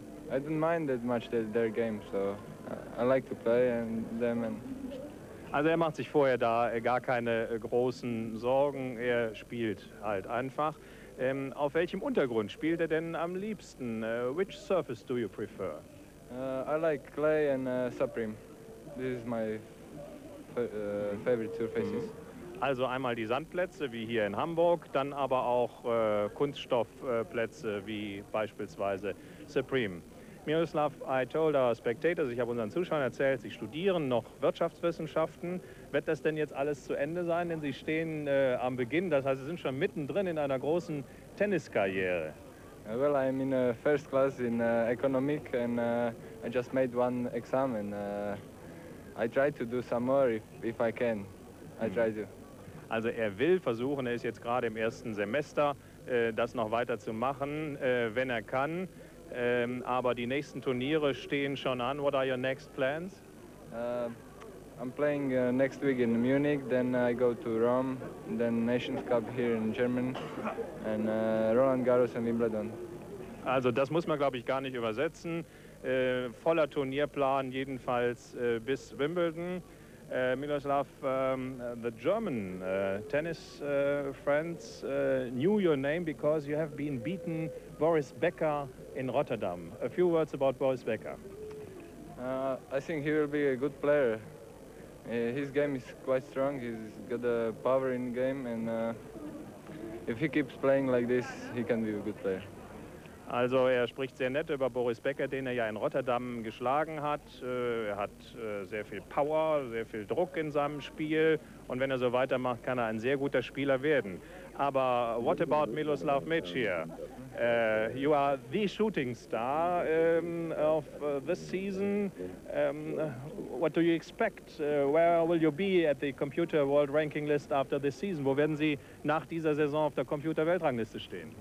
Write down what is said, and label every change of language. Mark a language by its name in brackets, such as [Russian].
[English] I don't mind that much their game, so I like to play and them. And [German] also er macht sich vorher da gar keine großen Sorgen, er spielt halt einfach. Auf welchem Untergrund spielt er denn am liebsten? [English] Which surface do you prefer? I like clay and Supreme. This is my favorite surfaces. [German] Also einmal die Sandplätze wie hier in Hamburg, dann aber auch Kunststoffplätze wie beispielsweise Supreme. Miroslav, [English] I told our spectators, [German] ich habe unseren Zuschauern erzählt, Sie studieren noch Wirtschaftswissenschaften. Wird das denn jetzt alles zu Ende sein, denn Sie stehen am Beginn, das heißt, Sie sind schon mittendrin in einer großen Tenniskarriere. [English] Well, I'm in a first class in economic and I just made one exam and I try to do some more if I can. I try to. [German] Also er will versuchen, er ist jetzt gerade im ersten Semester, das noch weiter zu machen, wenn er kann. Aber die nächsten Turniere stehen schon an. [English] What are your next plans? I'm playing next week in Munich, then I go to Rome, then Nations Cup here in Germany, and Roland Garros and Wimbledon. [German] Also das muss man, glaube ich, gar nicht übersetzen. Voller Turnierplan, jedenfalls bis Wimbledon. [English] Miloslav, the German tennis friends knew your name because you have been beaten Boris Becker in Rotterdam. A few words about Boris Becker. I think he will be a good player. His game is quite strong. He's got a power in game and if he keeps playing like this, he can be a good player. [German] Also er spricht sehr nett über Boris Becker, den er ja in Rotterdam geschlagen hat. Er hat sehr viel Power, sehr viel Druck in seinem Spiel. Und wenn er so weitermacht, kann er ein sehr guter Spieler werden. [English] Aber what about Miloslav Mečiar? You are the shooting star of this season. What do you expect? Where will you be at the computer world ranking list after this season? [German] Wo werden Sie nach dieser Saison auf der Computer-Weltrangliste stehen?